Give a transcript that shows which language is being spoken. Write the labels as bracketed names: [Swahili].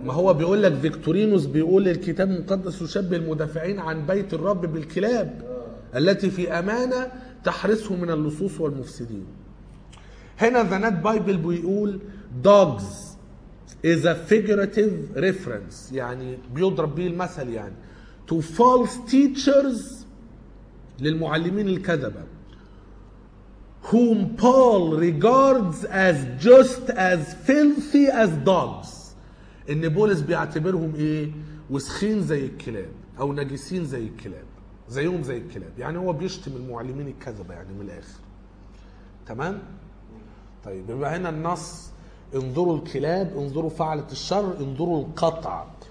[Arabic] ما هو بيقول لك فيكتورينوس بيقول الكتاب المقدس يشبه المدافعين عن بيت الرب بالكلاب التي في أمانة تحرسه من اللصوص والمفسدين. هنا ذنات بايبل بيقول [English] dogs is a figurative reference، [Arabic] يعني بيضرب بيه المثل، يعني [English] to false teachers [Arabic] للمعلمين الكذبة [English] whom Paul regards as just as filthy as dogs. [Arabic] إن بولس بيعتبرهم إيه؟ وسخين زي الكلاب أو نجسين زي الكلاب، زيهم زي الكلاب. يعني هو بيشتم المعلمين الكذبة يعني من الآخر. تمام؟ طيب يبقى هنا النص انظروا الكلاب، انظروا فعلة الشر، انظروا القطع.